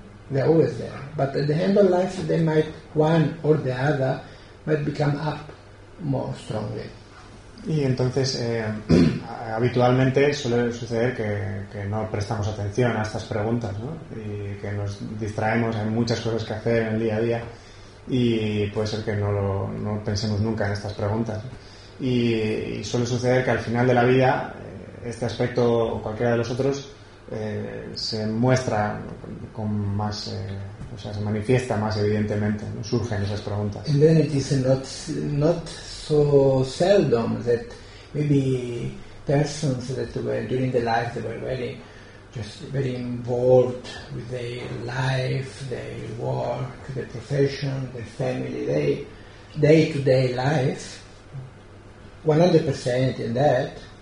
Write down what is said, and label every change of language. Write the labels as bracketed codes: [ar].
[en] They're always there. But at the end of life, they might one or the other might become up more strongly. [es] Y entonces habitualmente suele suceder que no prestamos atención a estas preguntas, ¿no? Y que nos distraemos, hay muchas cosas que hacer en el día a día y puede ser que no pensemos nunca en estas preguntas. Y suele suceder que al final de la vida este aspecto o cualquiera de los otros se muestra con más o sea, se manifiesta más evidentemente, ¿no? Surgen esas preguntas. [en] And then it is not so seldom that maybe persons that were during the life they were very just very involved with their life, their work, their profession, their family, their day-to-day life, 100% in that.